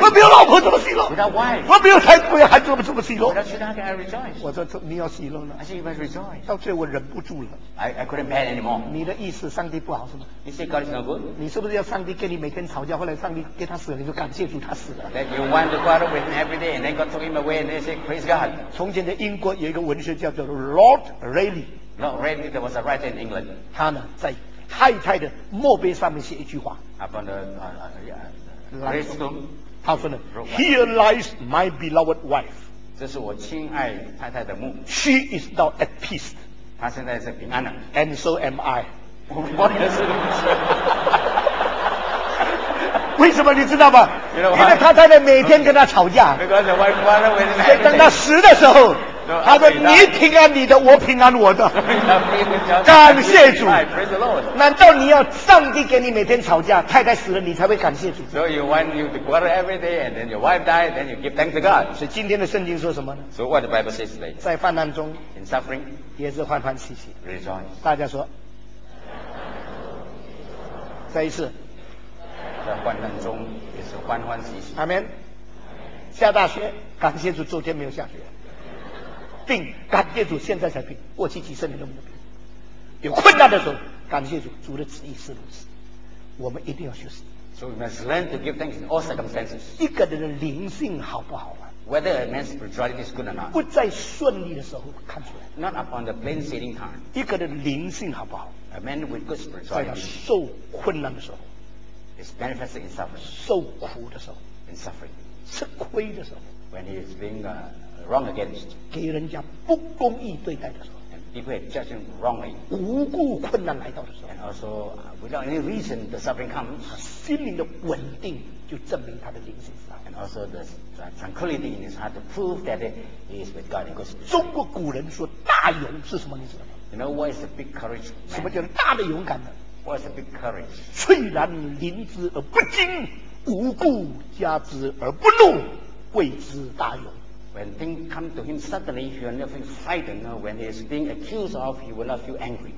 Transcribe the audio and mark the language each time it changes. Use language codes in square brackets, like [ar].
[zh] 我没有老婆怎么喜乐 [en] ？Without wife. [zh] 我没有太太还怎么怎么喜乐 [en] ？Without children, how can I rejoice? [zh] 我说你要喜乐了。 [en] I said you must rejoice. [zh] 到最后我忍不住了。 [en] I couldn't bear anymore. [zh] 你的意思，上帝不好是吗 [en] ？You say God is no good. [zh] 你是不是要上帝跟你每天吵架，后来上帝给他死了，你就感谢主他死了 [en] ？That you want to quarrel with him every day, and then God took him away, and they say praise God. [zh] 从前的英国有一个文学叫做 Lord Ray。 [en] Not really, there was a writer in England. [zh] 他呢，在太太的墓碑上面写一句话。 [en] Upon the gravestone, [zh] 他说呢 [en] ，Here lies my beloved wife. [zh] 这是我亲爱太太的墓。 [en] She is now at peace. [zh] 她现在是平安了。 [en] And so am I. [zh] 我也是。为什么你知道吗？ [en] You know [zh] 因为他太太每天跟他吵架。 [en] Because the wife quarrels with him every day. [zh] 所以等他死的时候。他说你平安你的，我平安我的。感谢主。难道你要上帝给你每天吵架，太太死了你才会感谢主？ [en] So you want you to quarrel every day and then your wife died, then you give thanks to God. [zh] 所以今天的圣经说什么呢？ [en] So what the Bible says today? [zh] 在患难中， [en] in suffering, [zh] 也是欢欢喜喜。 [en] Rejoice. [zh] 大家说。再一次。在患难中也是欢欢喜喜。 Amen. 下大雪，感谢主昨天没有下雪。病，感谢主现在才病，过去几十年都没有病。有困难的时候，感谢主，主的旨意是如此，我们一定要学习。 [en] So we must learn to give thanks in all circumstances. [zh] 一个人的灵性好不好啊？ [en] Whether a man's spirituality is good or not. [zh] 不在顺利的时候看出来。 [en] Not upon the plain sailing time. [zh] 一个人的灵性好不好？ [en] A man with good spirituality. [zh] 在受困难的时候。 [en] Is manifested in suffering. [zh] 受苦的时候。 [en] In suffering. [zh] 吃亏的时候。 [en] When he is being wrong against. [zh] 给人家不公义对待的时候。 [en] People have judged him wrongly. [zh] 无故困难来到的时候。 [en] And also, without any reason, the suffering comes. [zh] 心灵的稳定就证明他的灵性是好。 [en] And also, the tranquility in his heart to prove that he is with God. [zh] 中国古人说大勇是什么？你知道吗？ [en] You know what is a big courage? [zh] 什么叫大的勇敢呢？ [en] What is a big courage? [zh] 虽然临之而不惊，无故加之而不怒，谓之大勇。 [en] When things come to him suddenly, he will not feel frightened. When he is being accused of, he will not feel angry.